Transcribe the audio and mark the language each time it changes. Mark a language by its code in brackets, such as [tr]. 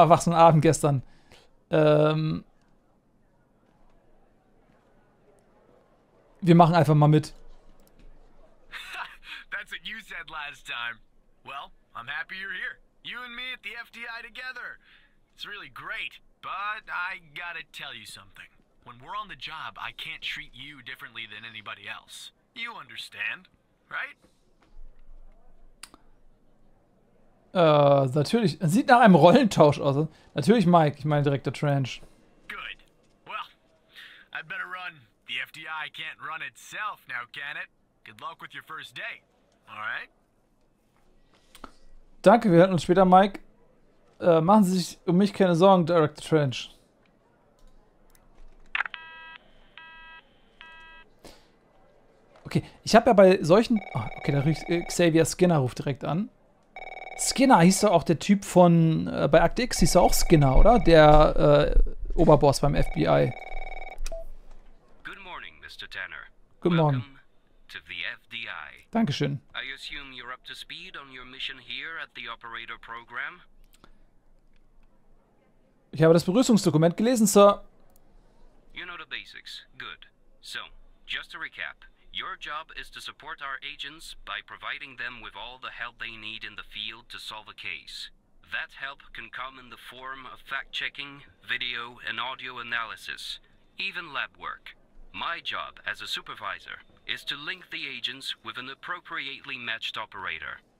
[de] Ah, was für ein Abend gestern. Wir machen einfach mal mit. [en] That's what you said last time. Well, I'm happy you're here. You and me at the FDI together. It's really great. But I gotta tell you something. When we're on the job, I can't treat you differently than anybody else. You understand, right? [de] Natürlich. Sieht nach einem Rollentausch aus. Natürlich, Mike. Ich meine direkt der Trench. [en] Good. Well, I'd better run. The FDI can't run itself now, can it? Good luck with your first day. Alright? [de] Danke, wir hören uns später, Mike. Machen Sie sich um mich keine Sorgen, Director Trench. Okay, ich habe ja bei solchen... Oh, okay, da ruft Xavier Skinner ruft direkt an. Skinner hieß doch auch der Typ von... bei Act X hieß er auch Skinner, oder? Der Oberboss beim FBI. [en] Good morning, Mr. Tanner. Good morning. Welcome to the FDI. [de] Dankeschön. [en] I assume you're up to speed on your mission here at the Operator Program? [de] Ich habe das Begrüßungsdokument gelesen, Sir. [en] You know the basics. Good. So, just to recap... Your job is to support our agents by providing them with all the help they need in the field to solve a case. That help can come in the form of fact-checking, video and audio analysis, even lab work. My job as a supervisor is to link the agents with an appropriately matched operator.